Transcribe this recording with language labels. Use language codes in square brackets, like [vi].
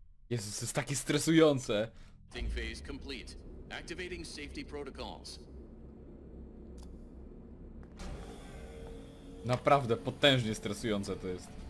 [pl] Jezus, to jest takie stresujące. [en] Testing phase complete. Activating safety protocols. [pl] Naprawdę potężnie stresujące to jest.